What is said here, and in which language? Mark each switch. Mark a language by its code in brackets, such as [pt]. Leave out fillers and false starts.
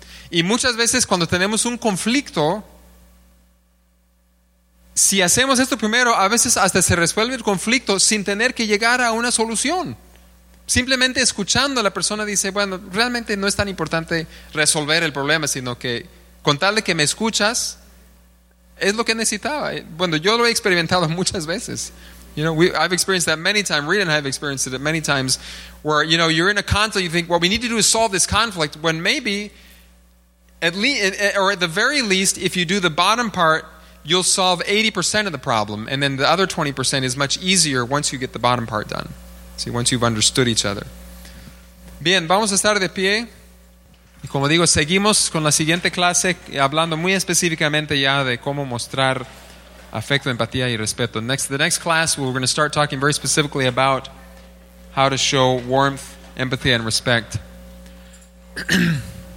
[es] Y muchas veces cuando tenemos un conflicto, si hacemos esto primero, a veces hasta se resuelve el conflicto sin tener que llegar a una solución. Simplemente escuchando, la persona dice, bueno, realmente no es tan importante resolver el problema, sino que con tal de que me escuchas, es lo que necesitaba. Bueno, yo lo he experimentado muchas veces. [en] You know, I've experienced that many times. Reed and I have experienced it many times where, you know, you're in a conflict, you think, what we need to do is solve this conflict, when maybe, at least, or at the very least, if you do the bottom part, you'll solve 80% of the problem, and then the other 20% is much easier once you get the bottom part done. See, once you've understood each other. [es] Bien, vamos a estar de pie. Y como digo, seguimos con la siguiente clase hablando muy específicamente ya de cómo mostrar afecto, empatía y respeto. [en] The next class, we're going to start talking very specifically about how to show warmth, empathy, and respect.